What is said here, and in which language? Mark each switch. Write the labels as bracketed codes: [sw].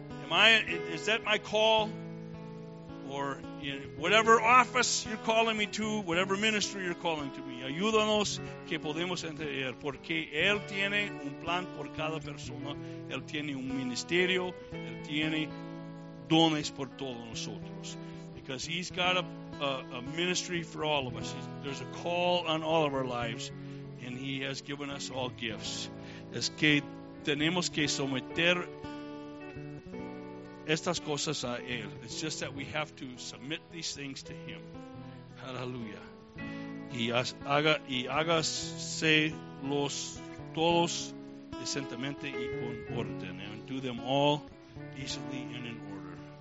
[en] Is that my call? Or in whatever office you're calling me to, whatever ministry you're calling to me, [es] ayúdanos que podemos entender, porque Él tiene un plan por cada persona. Él tiene un ministerio. Él tiene dones por todos nosotros. [en] Because He's got a ministry for all of us. There's a call on all of our lives, and He has given us all gifts. [es] Es que tenemos que someter estas cosas a Él. [en] It's just that we have to submit these things to Him. Hallelujah. [es] Y hágase los todos decentemente y con orden. [en] And do them all easily and in order.